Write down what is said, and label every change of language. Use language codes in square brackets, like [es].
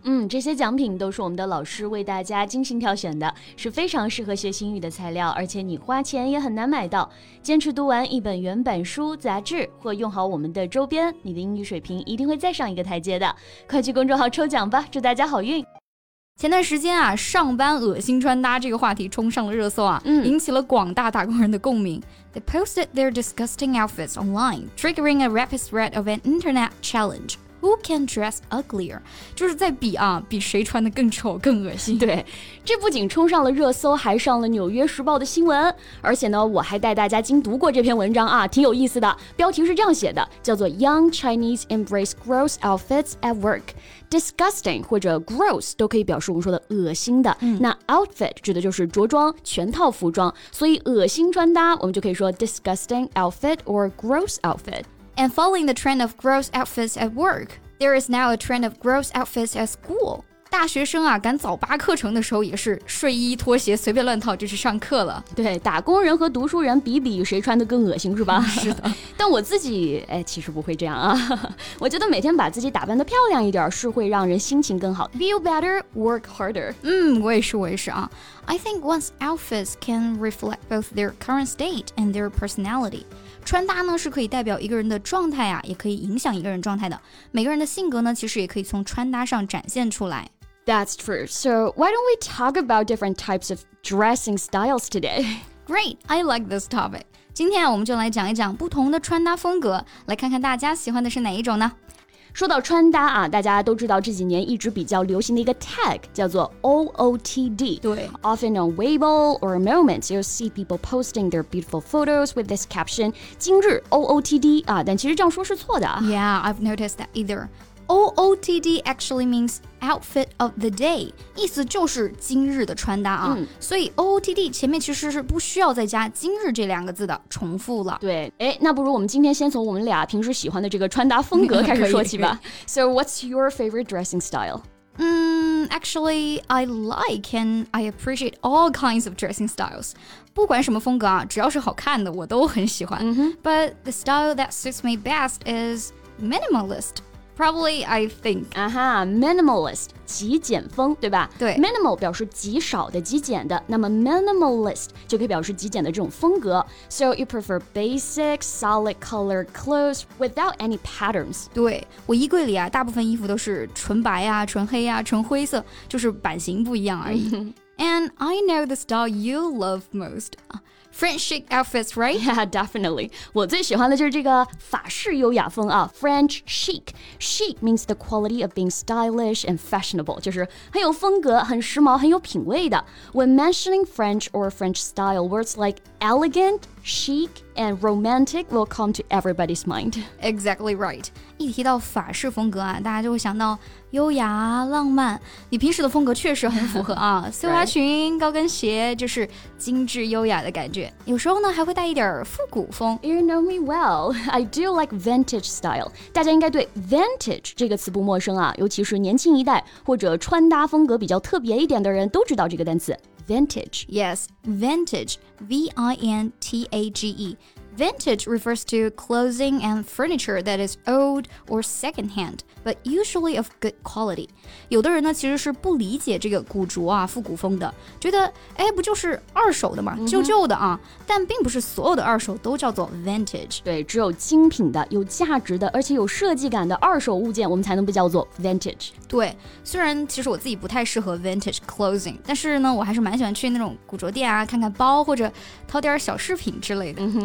[zh] 嗯，这些奖品都是我们的老师为大家精心挑选的，是非常适合学英语的材料，而且你花钱也很难买到。坚持读完一本原版书、杂志或用好我们的周边，你的英语水平一定会再上一个台阶的。快去公众号抽奖吧，祝大家好运。前段时间啊，上班恶心穿搭这个话题冲上了热搜啊，引起了广大打工人的共鸣。 [en] They posted their disgusting outfits online, triggering a rapid spread of an internet challenge. Who can dress uglier? [zh] 就是在比啊，比谁穿得更丑更恶心。对，这不仅冲上了热搜，还上了纽约时报的新闻。而且呢，我还带大家精读过这篇文章啊，挺有意思的。标题是这样写的，叫做 Young Chinese Embrace Gross Outfits at Work. Disgusting 或者 gross 都可以表示我们说的恶心的、那 outfit 指的就是着装全套服装，所以恶心穿搭我们就可以说 disgusting outfit or gross outfit. And following the trend of gross outfits at work, there is now a trend of gross outfits at school. 大学生啊，赶早八课程的时候也是睡衣拖鞋随便乱套就去上课了。对，打工人和读书人比比谁穿得更恶心是吧？是的。但我自己哎，其实不会这样啊。我觉得每天把自己打扮得漂亮一点是会让人心情更好。 [en] Feel better, work harder. [zh] 嗯，我也是，我也是啊。 [en] I think one's outfits can reflect both their current state and their personality. [zh] 穿搭呢是可以代表一个人的状态啊，也可以影响一个人状态的。每个人的性格呢，其实也可以从穿搭上展现出来。 [en] That's true. So why don't we talk about different types of dressing styles today? Great, I like this topic. [zh] 今天啊，我们就来讲一讲不同的穿搭风格，来看看大家喜欢的是哪一种呢？说到穿搭啊，大家都知道这几年一直比较流行的一个 tag 叫做 OOTD。对， [en] Often on Weibo or Moments, you'll see people posting their beautiful photos with this caption 今日 OOTD 啊，但其实这样说是错的。 Yeah, I've noticed that either. OOTD actually means outfit of the day, [zh] 意思就是今日的穿搭啊、所以 OOTD 前面其实是不需要再加今日这两个字的，重复了。对，诶，那不如我们今天先从我们俩平时喜欢的这个穿搭风格开始说起吧。 [en] So what's your favorite dressing style? Actually, I like and I appreciate all kinds of dressing styles. [zh] 不管什么风格啊，只要是好看的我都很喜欢。 [en] But the style that suits me best is minimalist. Probably, I think. [zh] Minimalist, 极简风，对吧？对。 Minimal 表示极少的、极简的，那么 minimalist 就可以表示极简的这种风格。 [en] So you prefer basic, solid color clothes without any patterns. [zh] 对，我衣柜里啊，大部分衣服都是纯白啊、纯黑啊、纯灰色，就是版型不一样而已。 [en] And I know the style you love most. French chic outfits, right? [zh] Yeah, definitely. 我最喜欢的就是这个法式优雅风啊 French chic. [en] Chic means the quality of being stylish and fashionable. [zh] 就是很有风格，很时髦，很有品味的。 [en] When mentioning French or French style, words like elegant, chic, and romantic will come to everybody's mind. Exactly right. [zh] 一提到法式风格啊，大家就会想到优雅浪漫。你平时的风格确实很符合啊，碎花裙、高跟鞋，就是精致优雅的感觉。有时候呢，还会带一点复古风。 [en] You know me well. I do like vintage style. [zh] 大家应该对 vintage 这个词不陌生啊，尤其是年轻一代或者穿搭风格比较特别一点的人都知道这个单词 vintage. [en] Yes, vintage. V-I-N-T-A-G-E. Vintage refers to clothing and furniture that is old or secondhand, but usually of good quality. [zh] 有的人呢，其实是不理解这个古着啊，复古风的，觉得哎，不就是二手的嘛，旧旧的啊。但并不是所有的二手都叫做 vintage. 对，只有精品的、有价值的，而且有设计感的二手物件，我们才能被叫做 vintage. 对，虽然其实我自己不太适合 vintage clothing, 但是呢，我还是蛮喜欢去那种古着店啊，看看包或者淘点小饰品之类的。